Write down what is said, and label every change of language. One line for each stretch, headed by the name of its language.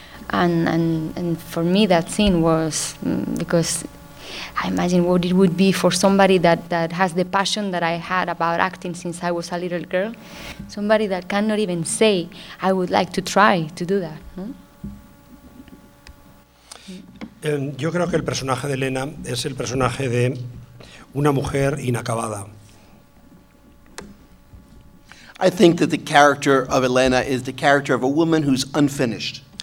English: And for me that scene was, because I imagine what it would be for somebody that has the passion that I had about acting since I was a little girl, somebody that cannot even say, I would like to try to do that.
Spanish: No? Yo creo que el personaje de Elena es el personaje de una mujer inacabada.
English: I think that the character of Elena is the character of a woman who's unfinished.